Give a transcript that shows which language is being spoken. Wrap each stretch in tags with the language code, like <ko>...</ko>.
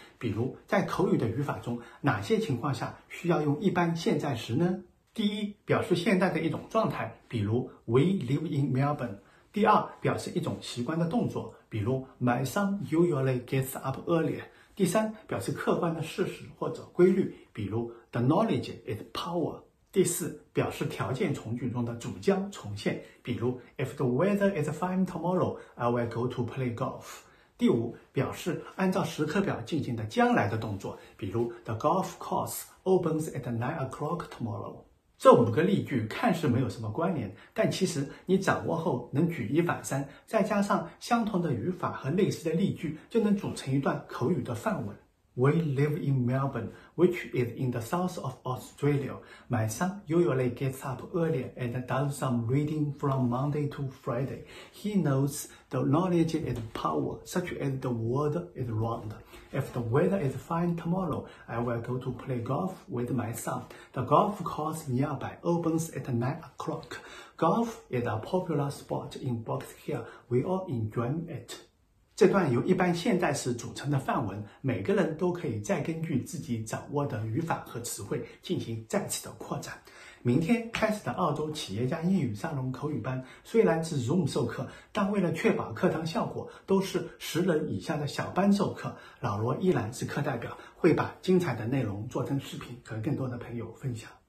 <zh>比如在口语的语法中，哪些情况下需要用一般现在时呢？第一，表示现在的一种状态，比如</zh> <en>We live in Melbourne。</en> <zh>第二，表示一种习惯的动作，比如</zh> <en>My son usually gets up earlier。</en> <zh>第三，表示客观的事实或者规律，比如</zh> <en>The knowledge is power。</en> <zh>第四，表示条件从句中的主将重现，比如</zh> <en>If the weather is fine tomorrow, I will go to play golf。</en> <zh>第五，表示按照时刻表进行的将来的动作，比如</zh> <en>The golf course opens at 9 o'clock tomorrow。</en> <zh>这五个例句看似没有什么关联，但其实你掌握后能举一反三，再加上相同的语法和类似的例句，就能组成一段口语的范文。</zh> <en>We live in Melbourne, which is in the south of Australia. My son usually gets up early and does some reading from Monday to Friday. He knows the knowledge is power, such as the world is round. If the weather is fine tomorrow, I will go to play golf with my son. The golf course nearby opens at 9 o'clock. Golf is a popular sport in Box Hill. We all enjoy it.</en> <zh>这段由一般现代时组成的范文，每个人都可以再根据自己掌握的语法和词汇进行再次的扩展。明天开始的澳洲企业家英语沙龙口语班虽然是 Zoom 授课，但为了确保课堂效果都是十人以下的小班授课，老罗依然是课代表，会把精彩的内容做成视频和更多的朋友分享。</zh>